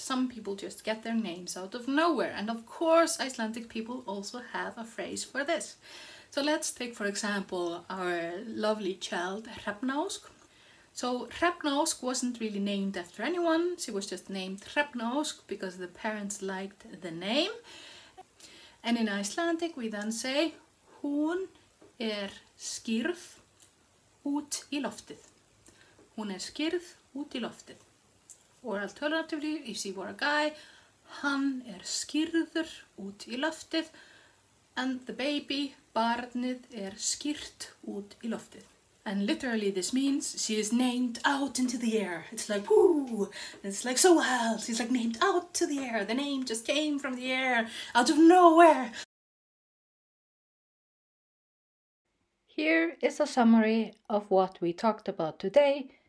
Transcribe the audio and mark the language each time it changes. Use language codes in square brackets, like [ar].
[en] Some people just get their names out of nowhere. And of course, Icelandic people also have a phrase for this. So let's take, for example, our lovely child, Hrefnaósk. So Hrefnaósk wasn't really named after anyone. She was just named Hrefnaósk because the parents liked the name. And in Icelandic, we then say, hún skýrð út í loftið. [is] Hún skýrð út í loftið. Or alternatively, if she were a guy, hann skýrður út í loftið. [en] And the baby, barnið, skýrt út í loftið. And literally this means she is named out into the air. It's like, woo! It's like so wild. She's like named out to the air. The name just came from the air, out of nowhere. Here is a summary of what we talked about today.